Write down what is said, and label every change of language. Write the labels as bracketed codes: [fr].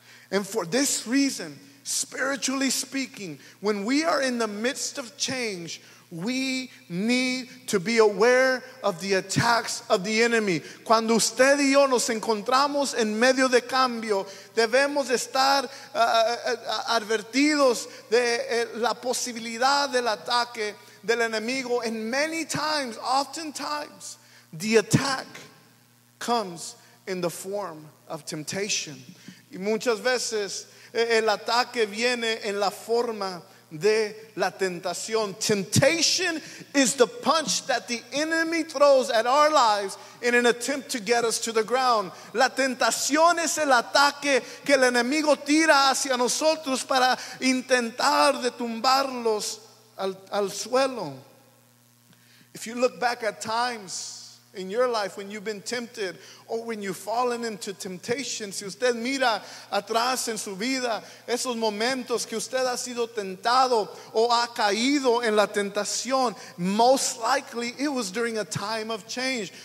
[en] And for this reason, spiritually speaking, when we are in the midst of change, we need to be aware of the attacks of the enemy. [es] Cuando usted y yo nos encontramos en medio de cambio, debemos estar advertidos de la posibilidad del ataque del enemigo. [en] And many times, oftentimes, the attack comes in the form of temptation. [es] Y muchas veces el ataque viene en la forma de la tentación. [en] Temptation is the punch that the enemy throws at our lives in an attempt to get us to the ground. [es] La tentación es el ataque que el enemigo tira hacia nosotros para intentar de tumbarlos al suelo. [en] If you look back at times in your life when you've been tempted or when you've fallen into temptation, [es] si usted mira atrás en su vida esos momentos que usted ha sido tentado o ha caído en la tentación, [en] most likely it was during a time of change.